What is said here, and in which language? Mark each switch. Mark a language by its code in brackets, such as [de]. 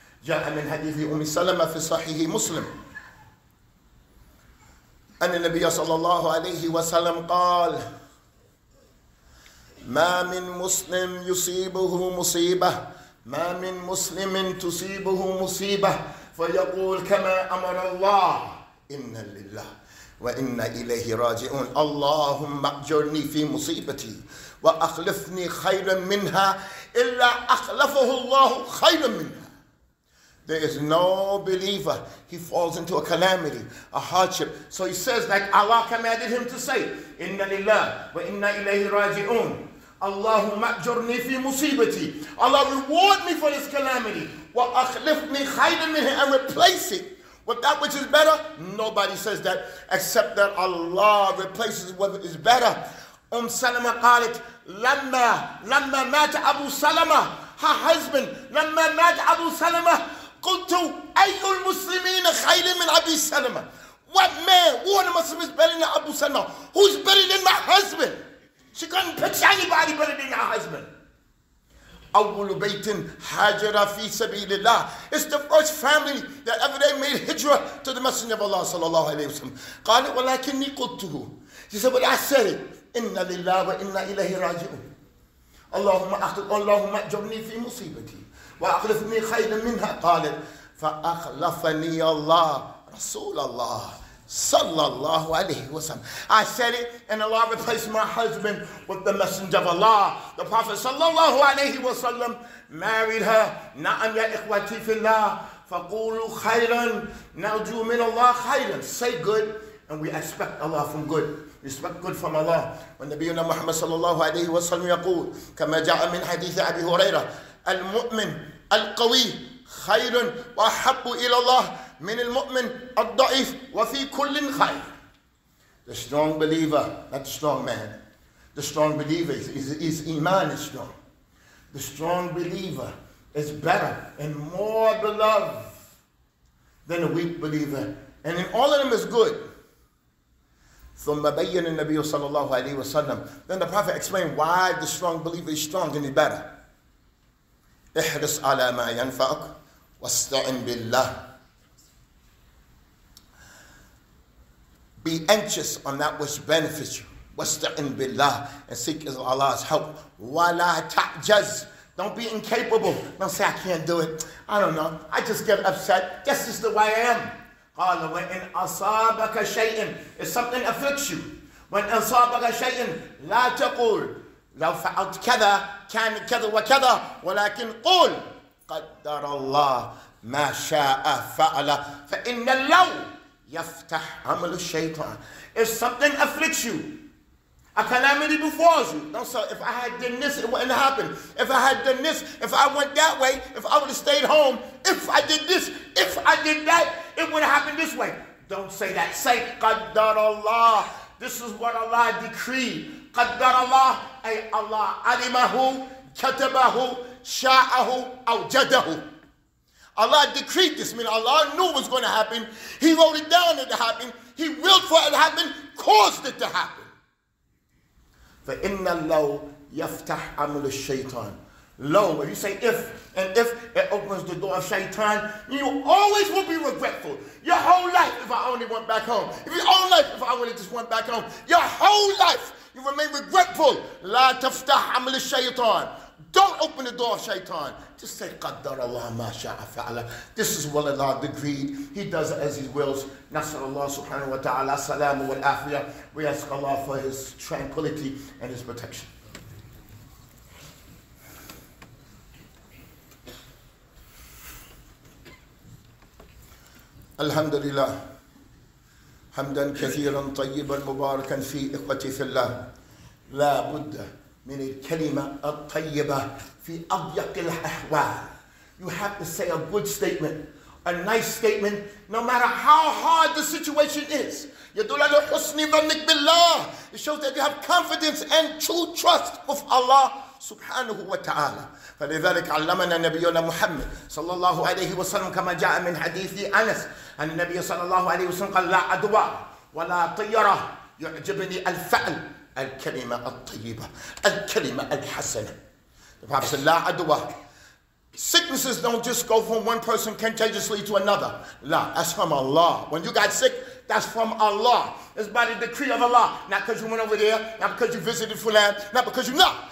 [ar] جاء من حديث أم سلمة في صحيح مسلم أن النبي صلى الله عليه وسلم قال ما من مسلم يصيبه مصيبة ما من مسلم تصيبه مصيبة فيقول كما أمر الله إنا لله وإنا إليه راجعون. اللهم أجرني في مصيبتي وأخلفني خيرا منها إلا أخلفه الله خيرا منها. [en] There is no believer, he falls into a calamity, a hardship. So he says like Allah commanded him to say, [ar] إنا لله وإنا إليه راجعون. اللهم أجرني في مصيبتي. [en] Allah reward me for this calamity. [ar] وأخلفني خيرا منها. [en] And replace it with that which is better. Nobody says that except that Allah replaces what is better. [ar] Salama قالت لما مات أبو سلمة. [en] Her husband, [ar] لما مات أبو سلمة قلت أي المسلمين خير من أبي سلمة. [en] What man, who of the Muslims is better than Abu Salama? Who's better than my husband? She couldn't picture anybody better than her husband. [ar] أول بيت هاجر في سبيل الله. [en] It's the first family that ever they made hijra to the Messenger of Allah صلى الله عليه وسلم. [ar] قال ولكني قلته. [en] He said, but I said it. [ar] إن لله وإنا إليه راجعون. اللهم أخلف اللهم أجرني في مصيبتي وأخلفني خيرا منها. قال فأخلفني الله رسول الله صلى الله عليه وسلم. [en] I said it and Allah replaced my husband with the messenger of Allah. The Prophet صلى الله عليه وسلم married her. [ar] نعم يا إخوتي في الله فقولوا خيرا نرجو من الله خيرا. [en] Say good and we expect Allah from good. We expect good from Allah. When the [ar] نبينا محمد صلى الله عليه وسلم يقول كما جاء من حديث أبي هريرة المؤمن القوي خير وأحب إلى الله من المؤمن الضعيف وفي كل خير. [en] The strong believer, not the strong man. The strong believer is iman is strong. The strong believer is better and more beloved than a weak believer. And in all of them is good. [ar] ثم بين النبي صلى الله عليه وسلم. [en] Then the Prophet explained why the strong believer is strong and is better. [ar] احرص على ما ينفعك واستعن بالله. [en] Be anxious on that which benefits you. [ar] واستعن بالله [en] and seek Allah's help. [ar] ولا تعجز. [en] Don't be incapable. Don't say I can't do it. I don't know. I just get upset. This is the way I am. [ar] قال وإن أصابك شيء. [en] If something afflicts you. [ar] وإن أصابك شيء لا تقول لو فعلت كذا كان كذا وكذا ولكن قول قدر الله ما شاء فعل فإن لو يفتح عمل الشيطان. [en] If something afflicts you, a calamity befalls you. Don't say, if I had done this, it wouldn't happen. If I had done this, if I went that way, if I would have stayed home, if I did this, if I did that, it would have happened this way. Don't say that. Say, [ar] قدر الله. [en] This is what Allah decreed. [ar] قدر الله. أي الله علمه كتبه شاءه أوجده. [en] Allah decreed this. I mean, Allah knew what was going to happen. He wrote it down that it happened. He willed for it to happen, caused it to happen. [ar] فَإِنَّ اللَّوْ يَفْتَحْ عَمُلُ الشَّيْطَانِ. [en] Low, if you say if, and if it opens the door of shaitan, you always will be regretful. Your whole life, if I only went back home. If your whole life, if I only just went back home. Your whole life, you remain regretful. [ar] لا تفتح عمل الشيطان. [en] Don't open the door of shaitan. Just say, [ar] قدر الله ما شاء فعل. [en] This is what Allah decreed. He does it as he wills. [ar] نسأل الله سبحانه وتعالى السلام والعافية. [en] We ask Allah for his tranquility and his protection. [ar] الحمد لله حمدا كثيرا طيبا مباركا في إخوتي في الله. لا بد من الكلمة الطيبة في أضيق الأحوال. [en] You have to say a good statement, a nice statement, no matter how hard the situation is. [ar] يدل على حسن ظنك بالله. [en] It shows that you have confidence and true trust of Allah سبحانه وتعالى. [ar] فلذلك علمنا نبينا محمد صلى الله عليه وسلم كما جاء من حديث أنس أن النبي صلى الله عليه وسلم قال لا عدوى ولا طيرة يعجبني الفعل الكلمة الطيبة الكلمة الحسنة. [en] The Prophet said [ar] لا عدوى. [en] Sicknesses don't just go from one person contagiously to another. لا, that's from Allah. When you got sick, that's from Allah. It's by the decree of Allah. Not because you went over there, not because you visited Fulan, not because you know.